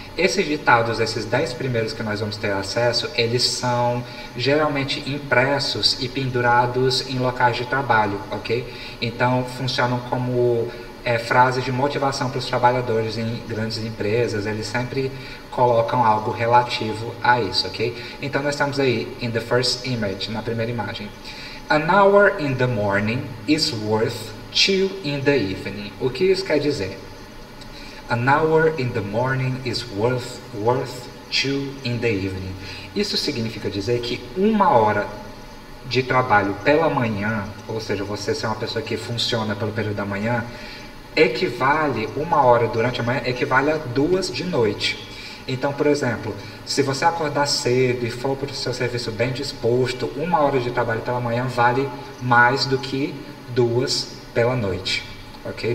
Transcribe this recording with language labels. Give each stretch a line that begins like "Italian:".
Portuguese: Esses ditados, esses 10 primeiros que nós vamos ter acesso, eles são geralmente impressos e pendurados em locais de trabalho, ok? Então, funcionam como frases de motivação para os trabalhadores em grandes empresas. Eles sempre colocam algo relativo a isso, ok? Então, nós estamos aí,
English: in the first image,
Portuguese: na primeira imagem.
English: An hour in the morning is worth 2 in the evening.
Portuguese: O que isso quer dizer?
English: An hour in the morning is worth 2 in the evening.
Portuguese: Isso significa dizer que uma hora de trabalho pela manhã, ou seja, você ser uma pessoa que funciona pelo período da manhã, equivale uma hora durante a manhã, equivale a duas de noite. Então, por exemplo, se você acordar cedo e for para o seu serviço bem disposto, uma hora de trabalho pela manhã vale mais do que duas pela noite. Ok?